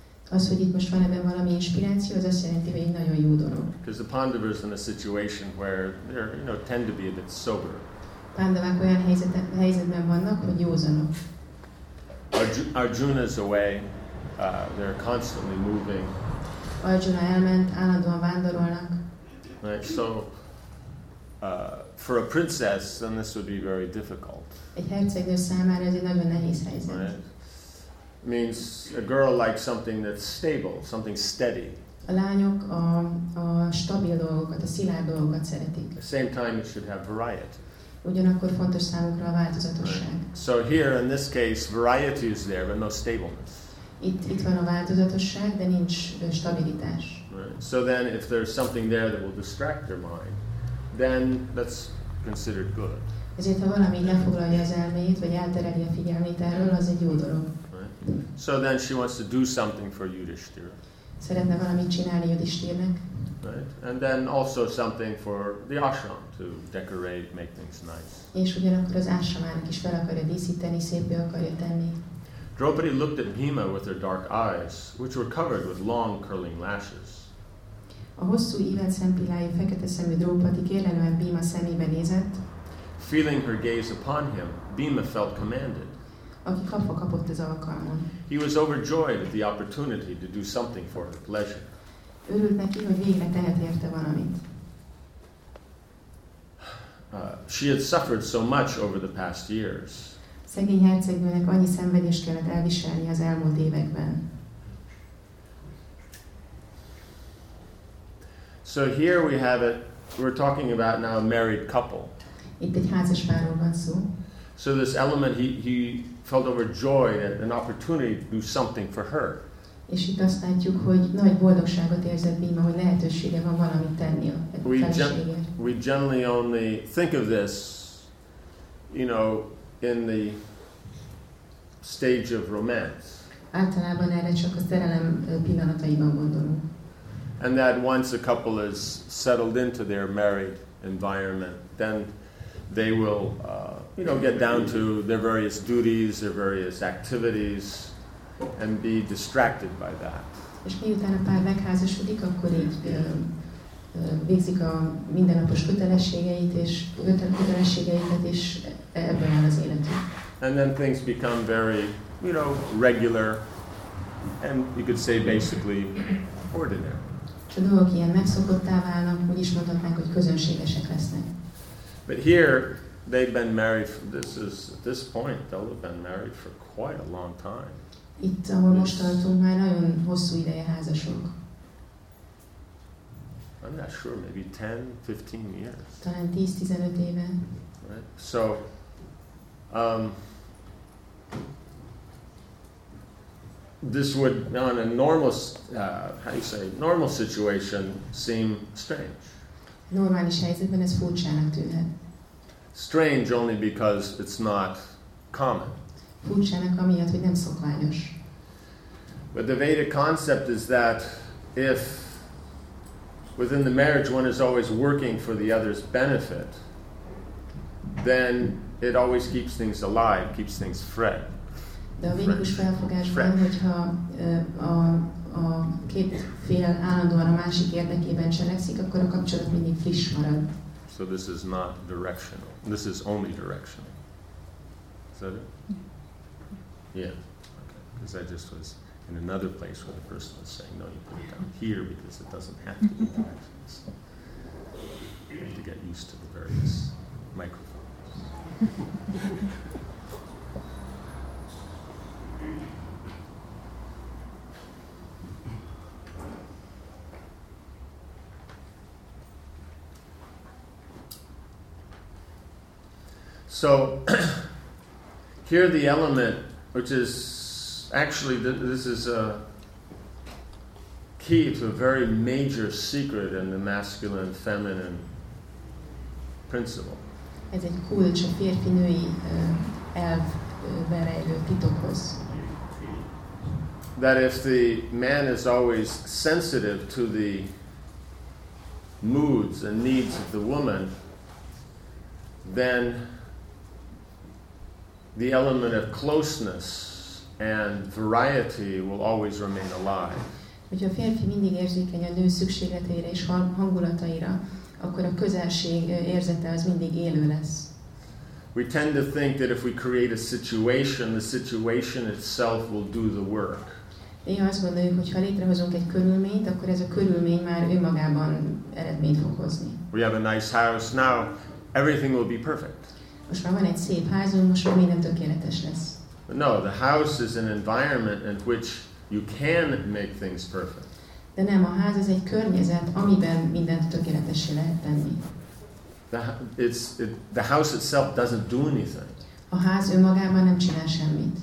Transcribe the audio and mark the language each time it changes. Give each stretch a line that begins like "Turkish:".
Hungarian: Az, hogy itt most van ebben valami inspiráció, az azt jelenti, hogy egy nagyon jó dolog.
English: Because the Pandavas in a situation where they're, you know, tend to be a bit sober.
Hungarian: Pandavák olyan helyzetben vannak, hogy józanok.
English: Arjuna's away. They're constantly moving.
Hungarian: Arjuna elment, állandóan vándorolnak.
English: Right, so for a princess, then this would be very difficult.
Hungarian: Egy hercegnő számára ez egy nagyon nehéz helyzet.
English: Right. Means a girl likes something that's stable, something steady.
Hungarian: A lányok a stabil dolgokat, a szilárd dolgokat szeretik.
English: At the same time, it should have variety.
Hungarian: Ugyanakkor fontos számukra a változatosság.
English: Right. So here, in this case, variety is there, but no stableness.
Hungarian: Itt van a változatosság, de nincs stabilitás.
English: Right. So then if there's something there that will distract your mind, then that's considered good.
Hungarian: Ezért ha valami lefoglalja az elmét, vagy eltereli a figyelmét erről, az egy jó dolog.
English: Right. So then she wants to do something for Yudhishthira.
Hungarian: Szeretne valamit csinálni Yudhishthirnek.
English: Right. And then also something for the ashram to decorate, make things nice.
Hungarian: És ugyanakkor az ashramának is fel akarja díszíteni, szépbe akarja tenni.
English: Draupadi looked at Bhima with her dark eyes, which were covered with long curling lashes.
Hungarian: A hosszú ívelt szempillájú fekete szemű Draupadi kérlelően Bhima szemébe nézett.
English: Feeling her gaze upon him, Bhima felt commanded.
Hungarian: Aki kapva kapott az alkalmon.
English: He was overjoyed at the opportunity to do something for her pleasure.
Hungarian: Örült neki, hogy végre tehet érte valamit.
English: She had suffered so much over the past years.
Hungarian: Szegény hercegnőnek annyi szenvedést kellett elviselni az elmúlt években.
English: So here we have it. We're talking about now a married couple.
Hungarian: Itt egy házas párról van szó.
English: So this element, he felt overjoyed at an opportunity to do something for her.
Hungarian: És itt azt látjuk, hogy nagy boldogságot érzett Bhima, hogy lehetősége van valamit tenni a feleségért.
English: We generally only think of this, you know, in the stage of romance.
Hungarian: Általában erre csak a szerelem pillanataiban gondolunk.
English: And that once a couple is settled into their married environment, then they will, you know, get down to their various duties, their various activities, and be distracted by that.
Hungarian: És miután a pár megházasodik, akkor így végzik a mindennapos kötelességeit és kötelességeiket is ebben áll az életük.
English: And then things become very, you know, regular, and you could say basically ordinary.
Hungarian: És a dolgok ilyen megszokottá válnak, úgy is mondhatnánk, hogy közönségesek lesznek.
English: But here, they've been married, at this point, they'll have been married for quite a long time.
Hungarian: Itt, ahol most tartunk, már nagyon hosszú ideje házasok.
English: I'm not sure, maybe 10, 15 years.
Hungarian: Talán 10-15 éve.
English: Right? So, this would, on a normal, normal situation, seem strange.
Hungarian: Normális helyzetben ez furcsának tűnhet.
English: Strange only because it's not common.
Hungarian: Furcsának amiatt, hogy nem szokványos.
English: But the Vedic concept is that if within the marriage one is always working for the other's benefit, then it always keeps things alive, keeps things fresh.
Hungarian: De a védikus felfogásban, hogyha a két fél állandóan a másik érdekében cselekszik, akkor a kapcsolat mindig friss marad.
English: So this is not directional. This is only directional. Is that it? Yeah. Okay. Because I just was in another place where the person was saying, no, you put it down here because it doesn't have to be directional. So you have to get used to the various microphones. So here the element, which is actually this is a key to a very major secret in the masculine feminine principle.
Hungarian: Ez egy kulcs a férfi-női elv berejlő titokhoz.
English: That if the man is always sensitive to the moods and needs of the woman, then the element of closeness and variety will always remain alive.
Hungarian: Hogyha a férfi mindig érzékeny a nő szükségletére és hangulataira, akkor a közelség érzete az mindig élő lesz.
English: We tend to think that if we create a situation, the situation itself will do the work.
Hungarian: Néha azt gondoljuk, hogy ha létrehozunk egy körülményt, akkor ez a körülmény már önmagában eredményt fog hozni.
English: We have a nice house now, everything will be perfect.
Hungarian: Most már van egy szép házunk, most már minden tökéletes lesz.
English: But no, the house is an environment in which you can make things perfect.
Hungarian: De nem, a ház az egy környezet, amiben mindent tökéletessé lehet tenni.
English: The house itself doesn't do anything.
Hungarian: A ház önmagában nem csinál semmit.